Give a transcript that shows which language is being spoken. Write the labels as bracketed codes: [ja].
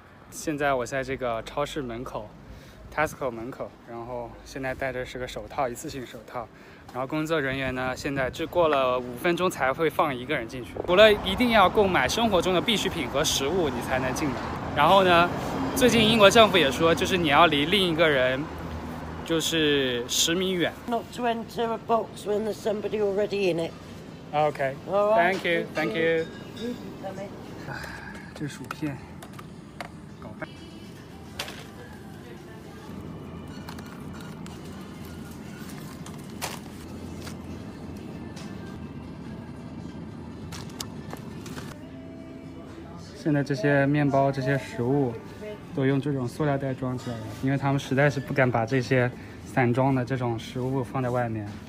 [zh] 现在我在这个超市门口 Tesco 门口然后现在戴着是个手套一次性手套然后工作人员呢现在只过了5分钟才会放一个人进去除了一定要购买生活中的必需品和食物你才能进来然后呢最近英国政府也说就是你要离另一个人就是10米远 [en] not to enter a box when there's somebody already in it okay All right, thank you [zh] 这薯片现在这些面包这些食物都用这种塑料袋装起来了因为他们实在是不敢把这些散装的这种食物放在外面